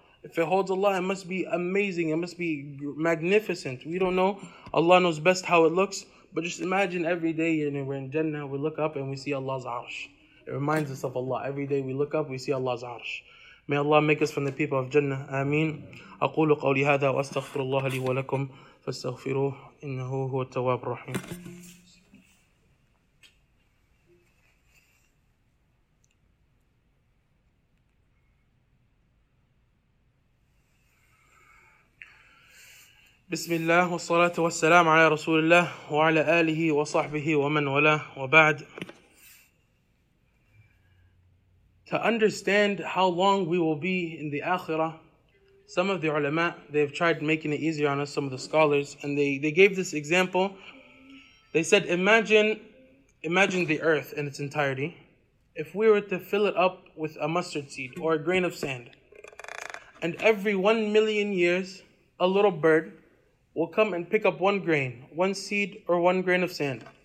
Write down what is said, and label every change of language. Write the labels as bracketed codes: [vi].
[en] If it holds Allah, it must be amazing. It must be magnificent. We don't know. Allah knows best how it looks. But just imagine every day, you know, we're in Jannah, we look up and we see Allah's Arsh. It reminds us of Allah. Every day we look up, we see Allah's Arsh. May Allah make us from the people of Jannah. Ameen. [ar] أقول قولي هذا وأستغفر الله لي ولكم فاستغفروه إنه هو التواب الرحيم. بسم الله والصلاة والسلام على رسول الله وعلى آله وصحبه ومن والاه وبعد. [en] To understand how long we will be in the Akhirah, some of the ulama, they've tried making it easier on us, some of the scholars, and they gave this example. They said, imagine the earth in its entirety. If we were to fill it up with a mustard seed or a grain of sand, and every 1 million years, a little bird will come and pick up one grain, one seed, or one grain of sand.